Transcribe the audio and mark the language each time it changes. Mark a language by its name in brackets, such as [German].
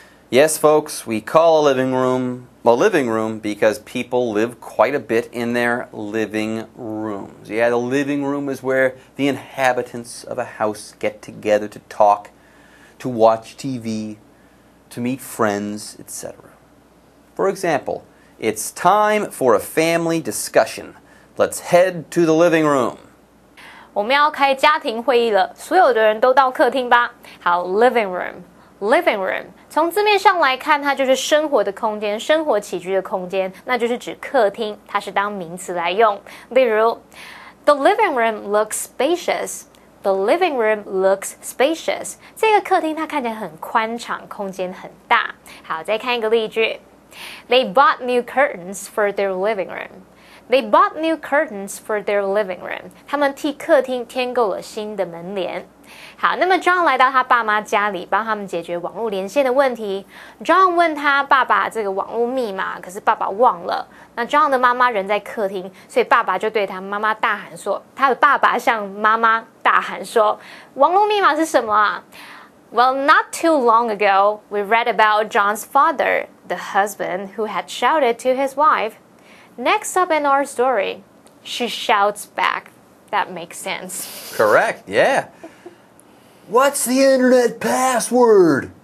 [English] Yes, folks, we call a living room a living room because people live quite a bit in their living rooms. Yeah, the living room is where the inhabitants of a house get together to talk, to watch TV,to meet friends, etc. For example, it's time for a family discussion. Let's head to the living room. [Chinese] 我们要开家庭会议了，所有的人都到客厅吧。 [English] 好 ,living room. Living room. [Chinese] 从字面上来看，它就是生活的空间，生活起居的空间，那就是指客厅，它是当名词来用。例如 [English] ,the living room looks spacious. The living room looks spacious. [Chinese] 这个客厅它看起来很宽敞，空间很大。好，再看一个例句。 [English] They bought new curtains for their living room. They bought new curtains for their living room. [Chinese] 他们替客厅添购了新的门帘。好，那么 John 来到他爸妈家里，帮他们解决网络连线的问题。 John 问他爸爸这个网络密码，可是爸爸忘了。那 John 的妈妈人在客厅，所以爸爸就对他妈妈大喊说，他的爸爸向妈妈大喊说，网络密码是什么啊？ [English] Well, not too long ago, we read about John's father, the husband who had shouted to his wife. Next up in our story, she shouts back. That makes sense. Correct, yeah. What's the internet password?